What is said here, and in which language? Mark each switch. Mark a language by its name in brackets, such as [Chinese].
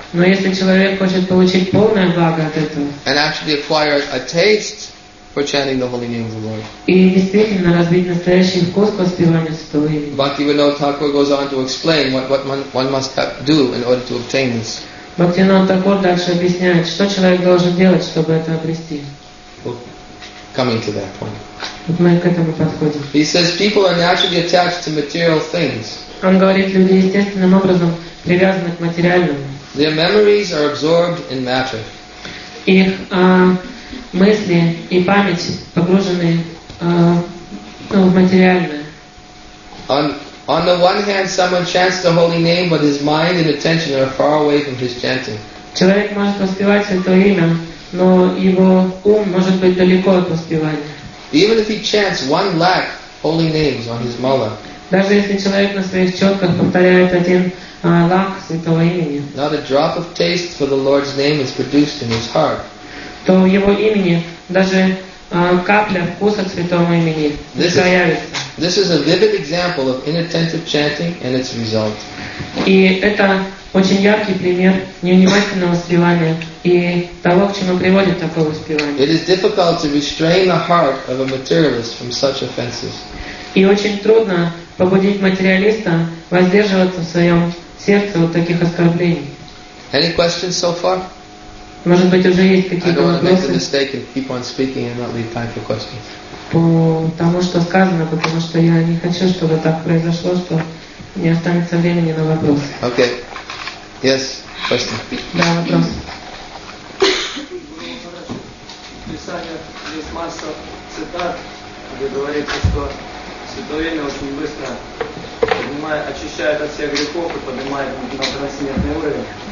[Russian] Но если человек хочет получить полное благо от этого. [English] And actually acquire a taste for chanting the holy name of the Lord. [Russian] И действительно развить настоящий вкус воспевания святого имени. [English] Bhaktivinoda Thakur goes on to explain what one must do in order to obtain this. [Russian] Bhaktivinoda Thakur дальше объясняет, что человек должен делать, чтобы это обрести. [English] Coming to that point. [Russian] Вот мы к этому подходим. [English] He says people are naturally attached to material things. [Russian] Он говорит, люди естественным образом привязаны к материальному. [English] Their memories are absorbed in matter. [Russian] Их мысли и память погружены в материальное. [English] On the one hand, someone chants the holy name, but his mind and attention are far away from his chanting. [Russian] Человек может воспевать святое имя, но его ум может быть далеко от воспевания. [English] Even if he chants one lakh holy names on his mala. [Russian] Даже если человек на своих четках повторяет один лак святого имени, [English] not a drop of taste for the Lord's name is produced in his heart. [Russian] То в его имени даже капля вкуса святого имени не появится. [English] This is a vivid example of inattentive chanting and its result. [Russian] И это очень яркий пример невнимательного воспевания и того, к чему приводит такое воспевание. [English] It is difficult to restrain the heart of a materialist from such offenses. [Russian] И очень трудно побудить материалиста воздерживаться в своем сердце от таких оскорблений. [English] Any questions so far? [Russian] Может быть, уже есть какие-то вопросы? [English] I don't want to make a mistake and keep on speaking and not leave time for questions. [Russian] По тому, что сказано, потому что я не хочу, чтобы так произошло, что не останется времени на вопросы. [English] Okay. Yes, question. [Russian] Да, вопрос. В Писании есть масса цитат, где говорится, что святовение очень быстро поднимает, очищает от всех грехов и поднимает на трансцендентный уровень.